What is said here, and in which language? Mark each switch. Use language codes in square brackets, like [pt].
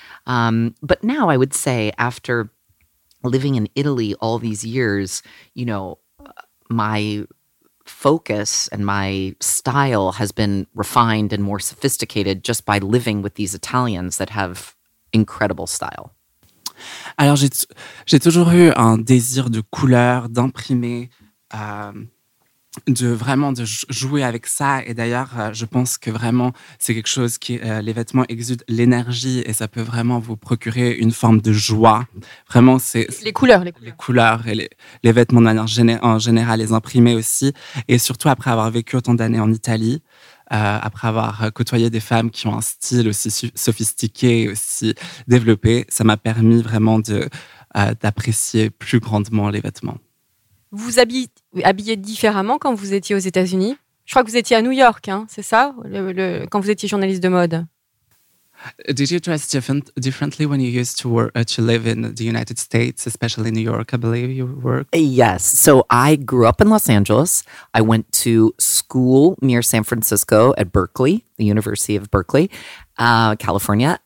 [en] But now I would say, after living in Italy all these years, you know, my focus and my style has been refined and more sophisticated just by living with these Italians that have incredible style. [fr] Alors, j'ai toujours eu un désir de couleur, d'imprimer, de vraiment de jouer avec ça. Et d'ailleurs, je pense que vraiment, c'est quelque chose qui... les vêtements exudent l'énergie et ça peut vraiment vous procurer une forme de joie. Vraiment, c'est... Les couleurs et les vêtements de manière en général, les imprimés aussi. Et surtout, après avoir vécu autant d'années en Italie, après avoir côtoyé des femmes qui ont un style aussi sophistiqué, aussi développé, ça m'a permis vraiment d'apprécier plus grandement les vêtements. Vous habillez différemment quand vous étiez aux États-Unis? Je crois que vous étiez à New York, hein, c'est ça, quand vous étiez journaliste de mode. [en] Did you dress differently when you used to live in the United States, especially in New York, I believe you worked? Yes. So I grew up in Los Angeles. I went to school near San Francisco at Berkeley, the University of Berkeley, California.